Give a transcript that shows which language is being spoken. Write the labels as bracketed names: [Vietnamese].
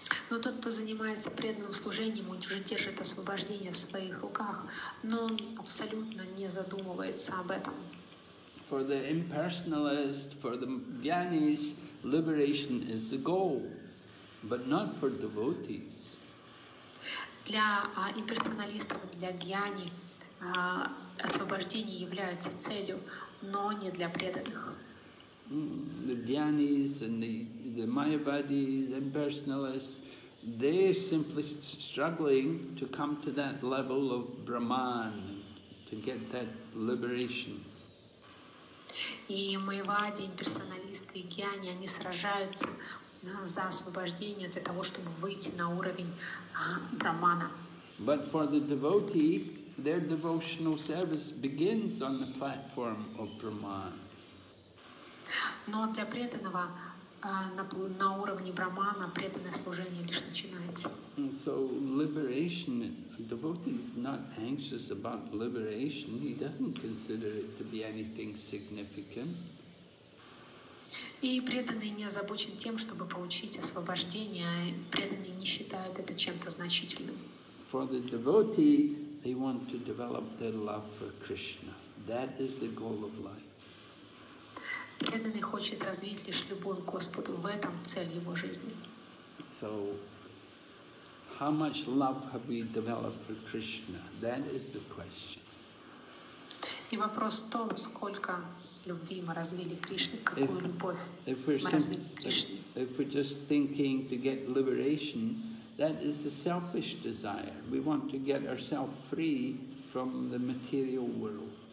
[Russian] Но тот, кто занимается преданным служением, он уже держит освобождение в своих руках, но он абсолютно не задумывается об этом. [English] For the impersonalist, for the jnanis, liberation is the goal, but not for devotees. [Russian] Для имперсоналистов, для джняни, освобождение является целью, но не для преданных. [English] The jnanis and the mayavadis, impersonalists, they are simply struggling to come to that level of Brahman, to get that liberation. [Russian] И майявади, имперсоналисты, и гьяни, они сражаются за освобождение, для того, чтобы выйти на уровень Брахмана. [English] But for the devotee, their devotional service begins on the platform of Brahman. [Russian] Но для преданного на уровне Брахмана преданное служение лишь начинается. [English] And so liberation, a devotee is not anxious about liberation, he doesn't consider it to be anything significant. [Russian] И преданный не озабочен тем, чтобы получить освобождение, преданный не считает это чем-то значительным. [English] For the devotee, they want to develop their love for Krishna. That is the goal of life. [Russian] Преданный хочет развить лишь любовь к Господу. В этом цель его жизни. [English] So, how much love have we developed for Krishna? That is the question. [Russian] И вопрос в том, сколько любви мы развили к Кришне, какую любовь мы развили к Кришне. [English] If we're just thinking to get liberation, that is the selfish desire. We want to get ourselves free from the material world.